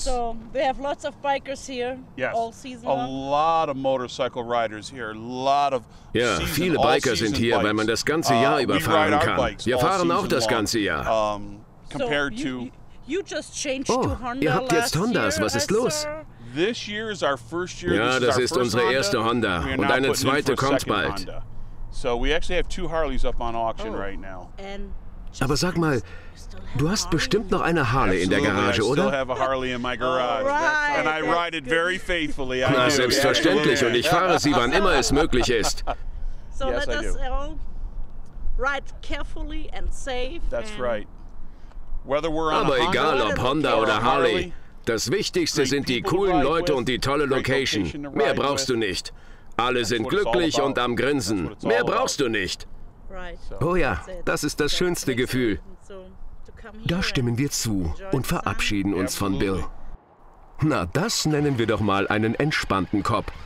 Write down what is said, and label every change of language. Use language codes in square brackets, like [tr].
[en] So they have lots of bikers here all season. A lot of motorcycle riders here. [de] Ja, viele Biker sind hier, weil man das ganze Jahr überfahren kann. Wir fahren auch das ganze Jahr. [en] Compared to you just changed to Honda. [de] Ihr habt jetzt Hondas. Was ist los? [en] This year is our first year. [de] Ja, das ist unsere erste Honda und eine zweite kommt bald. [en] So we actually have two Harleys up on auction right now. [de] Aber sag mal, du hast bestimmt noch eine Harley in der Garage, oder? [en] I still have a Harley in my garage. And I ride it very faithfully. [de] Na, selbstverständlich, und ich fahre sie, wann immer es möglich ist. [en] So let us all ride carefully and safe. That's right. Whether we're on [de] Aber egal ob Honda oder Harley. Das Wichtigste sind die coolen Leute und die tolle Location. Mehr brauchst du nicht. Alle sind glücklich und am Grinsen. Mehr brauchst du nicht. Oh ja, das ist das schönste Gefühl. Da stimmen wir zu und verabschieden uns von Bill. Na, das nennen wir doch mal einen entspannten Kopf.